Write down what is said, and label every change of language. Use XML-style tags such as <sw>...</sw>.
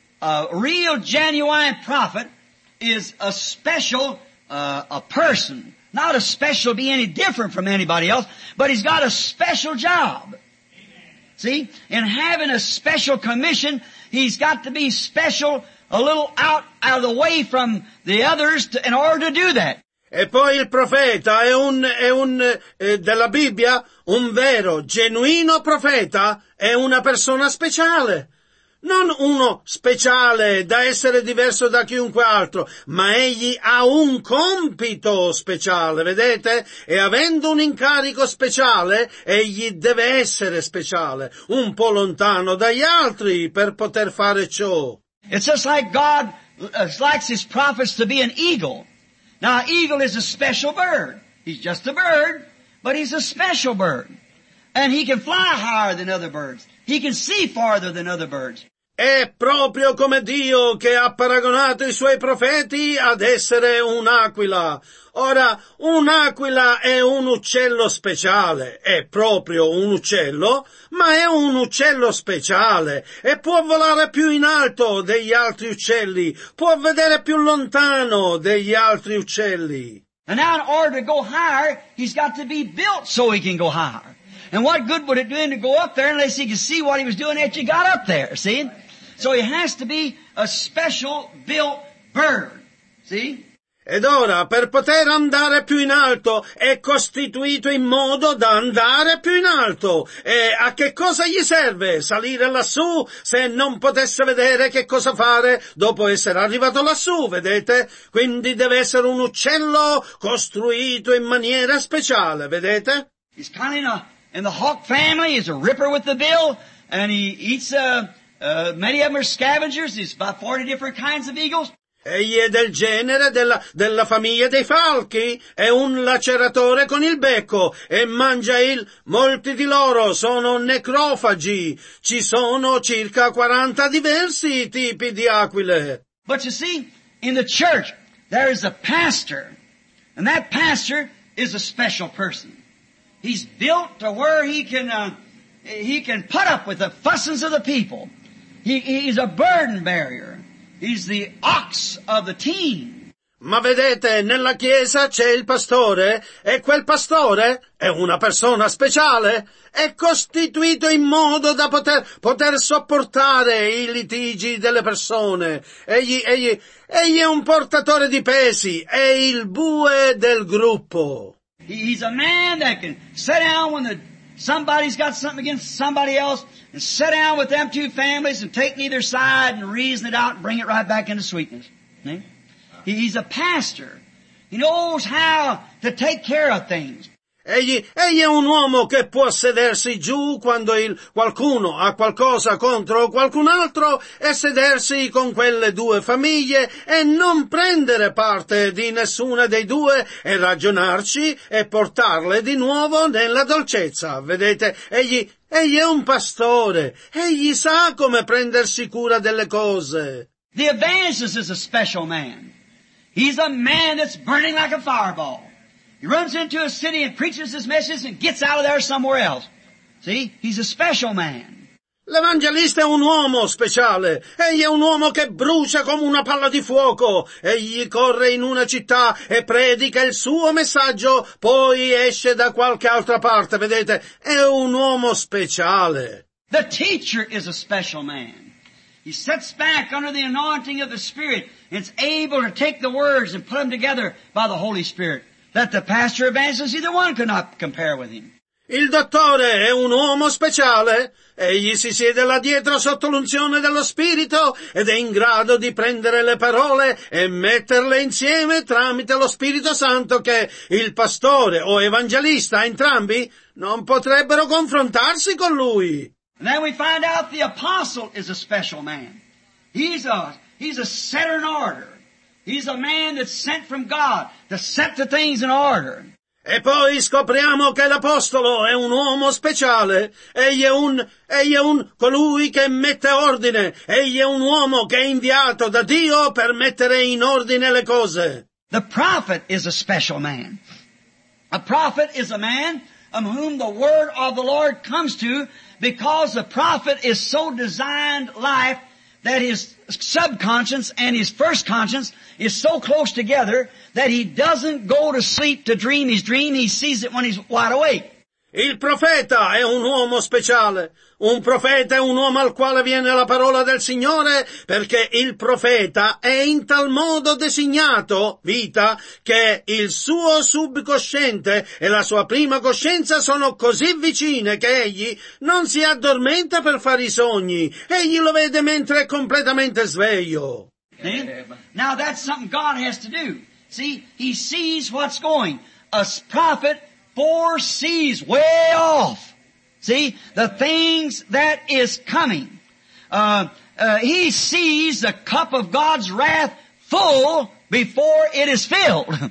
<en>A real genuine prophet is a special a person, not a special to be any different from anybody else, but he's got a special job. Amen. See, in having a special commission, he's got to be special, a little out of the way from the others in order to do that.</en> <it>E poi il profeta è un della Bibbia, un vero, genuino profeta è una persona speciale. Non uno speciale da essere diverso da chiunque altro, ma egli ha un compito speciale, vedete? E avendo un incarico speciale, egli deve essere speciale, un po' lontano dagli altri per poter fare ciò.</it> <en>It's just like God likes his prophets to be an eagle. Now, eagle is a special bird. He's just a bird, but he's a special bird. And he can fly higher than other birds. He can see farther than other birds.</en> <it>È proprio come Dio che ha paragonato i suoi profeti ad essere un'aquila. Ora, un'aquila è un uccello speciale. È proprio un uccello, ma è un uccello speciale. E può volare più in alto degli altri uccelli. Può vedere più lontano degli altri uccelli.</it> <en>And now in order to go higher, he's got to be built so he can go higher. And what good would it do him to go up there unless he could see what he was doing after he got up there, see? So he has to be a special built bird, see?</en> <it>Ed ora, per poter andare più in alto, è costituito in modo da andare più in alto. E a che cosa gli serve salire lassù se non potesse vedere che cosa fare dopo essere arrivato lassù, vedete? Quindi deve essere un uccello costruito in maniera speciale, vedete?</it> <en>He's kind of in the hawk family, he's a ripper with the bill, and he eats many of them are scavengers. There's about 40 different kinds of eagles.</en> <it>Egli è del genere della famiglia dei falchi. È un laceratore con il becco e mangia molti di loro sono necrofagi. Ci sono circa 40 diversi tipi di aquile.</it> <en>But you see, in the church there is a pastor, and that pastor is a special person. He's built to where he can put up with the fussings of the people. He's a burden bearer. He's the ox of the team.</en> <it>Ma vedete, nella chiesa c'è il pastore, e quel pastore è una persona speciale. È costituito in modo da poter sopportare i litigi delle persone. Egli è un portatore di pesi, è il bue del gruppo.</it> <en>He's a man that can sit down when somebody's got something against somebody else and sit down with them two families and take neither side and reason it out and bring it right back into sweetness. He's a pastor. He knows how to take care of things.</en> <it>Egli è un uomo che può sedersi giù quando qualcuno ha qualcosa contro qualcun altro e sedersi con quelle due famiglie e non prendere parte di nessuna dei due e ragionarci e portarle di nuovo nella dolcezza. Vedete, egli è un pastore. Egli sa come prendersi cura delle cose.</it> <en>The evangelist is a special man. He's a man that's burning like a fireball. He runs into a city and preaches his message and gets out of there somewhere else. See? He's a special man.</en> <it>L'evangelista è un uomo speciale. Egli è un uomo che brucia come una palla di fuoco. Egli corre in una città e predica il suo messaggio, poi esce da qualche altra parte. Vedete? È un uomo speciale.</it> <en>The teacher is a special man. He sits back under the anointing of the Spirit and is able to take the words and put them together by the Holy Spirit. That the pastor evangelist, either one could not compare with him.</en> <it>Il dottore è un uomo speciale. Egli si siede là dietro sotto l'unzione dello Spirito ed è in grado di prendere le parole e metterle insieme tramite lo Spirito Santo che il pastore o evangelista, entrambi, non potrebbero confrontarsi con lui.</it> <en>And then we find out the apostle is a special man. He's a set in order. He's a man that's sent from God to set the things in order.</en> <it>E poi scopriamo che l'apostolo è un uomo speciale. Egli è colui che mette ordine. Egli è un uomo che è inviato da Dio per mettere in ordine le cose.</it> <en>The prophet is a special man. A prophet is a man of whom the word of the Lord comes to because the prophet is so designed life that his subconscious and his first conscience is so close together that he doesn't go to sleep to dream his dream, he sees it when he's wide awake.</en> <it>Il profeta è un uomo speciale. Un profeta è un uomo al quale viene la parola del Signore perché il profeta è in tal modo designato vita che il suo subcosciente e la sua prima coscienza sono così vicine che egli non si addormenta per fare i sogni. Egli lo vede mentre è completamente sveglio.</it> <en>Now that's something God has to do. See, he sees what's going. A prophet foresees way off. See, the things that is coming. He sees the cup of God's wrath full before it is filled.</en>